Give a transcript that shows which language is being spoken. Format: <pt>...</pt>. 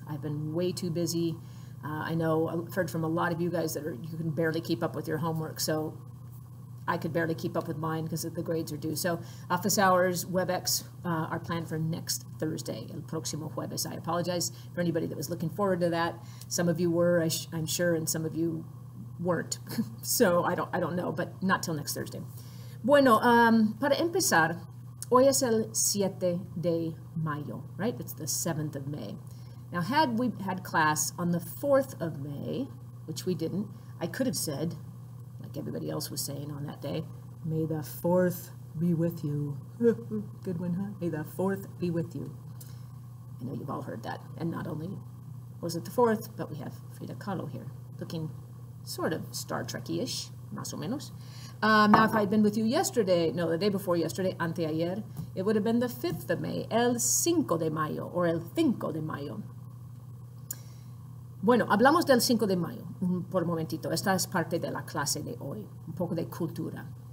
<en>I've been way too busy. I know I've heard from a lot of you guys that you can barely keep up with your homework, so I could barely keep up with mine because the grades are due. So office hours, WebEx are planned for next Thursday,</en> <es>el próximo jueves.</es> <en>I apologize for anybody that was looking forward to that. Some of you were, I'm sure, and some of you weren't, so I don't know, but not till next Thursday.</en> <es>Bueno, para empezar, hoy es el 7 de mayo,</es> <en>right? It's the 7th of May. Now, had we had class on the 4th of May, which we didn't, I could have said, like everybody else was saying on that day, may the 4th be with you. Good one, huh? May the 4th be with you. I know you've all heard that. And not only was it the 4th, but we have Frida Kahlo here looking sort of Star Trek-ish,</en> <es>más o menos.</es> <en>Now, if I'd been with you the day before yesterday,</en> <es>anteayer,</es> <en>it would have been the 5th of May,</en> <es>el 5 de mayo, or el 5 de mayo. Bueno, hablamos del 5 de mayo, por momentito. Esta es parte de la clase de hoy, un poco de cultura.</es>